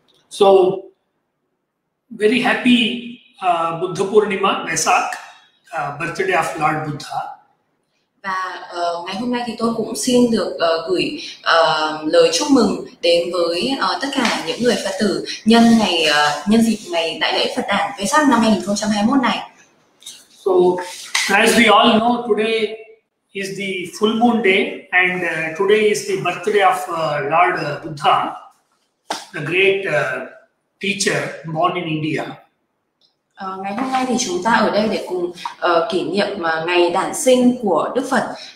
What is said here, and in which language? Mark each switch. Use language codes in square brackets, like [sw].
[en] So, very happy Buddha Purnima, Vaisak, birthday of Lord Buddha. [vi] Và ngày hôm nay thì tôi cũng xin được gửi lời chúc mừng đến với tất cả những người Phật tử nhân dịp ngày đại lễ Phật đản Vaisak năm 2021 này. [en] So, as we all know, today is the full moon day, and today is the birthday of Lord Buddha, the great teacher born in India. [vi] Ngày hôm nay thì chúng ta ở đây để cùng kỷ niệm ngày đản sinh của Đức Phật.